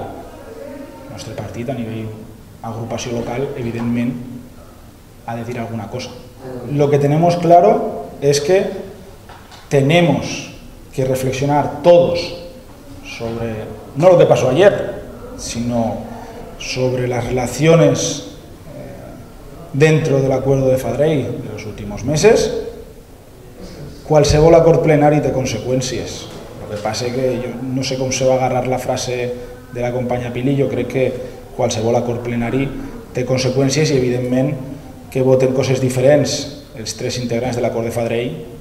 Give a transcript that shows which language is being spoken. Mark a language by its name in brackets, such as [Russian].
[Catalan] El nostre partit, a nivell agrupació local, evidentment, ha de dir alguna cosa. [Spanish] Lo que tenemos claro es que tenemos que reflexionar todos sobre, no lo que pasó ayer, sino sobre las relaciones dentro del acuerdo de Fadrell de los últimos meses. [Catalan] Qualsevol acord plenari té conseqüències. El que passa és que jo no sé com se va agarrar la frase de la companya Pili, jo crec que qualsevol acord plenari té conseqüències i evidentment que voten coses diferents els tres integrants de l'acord de Fadrell.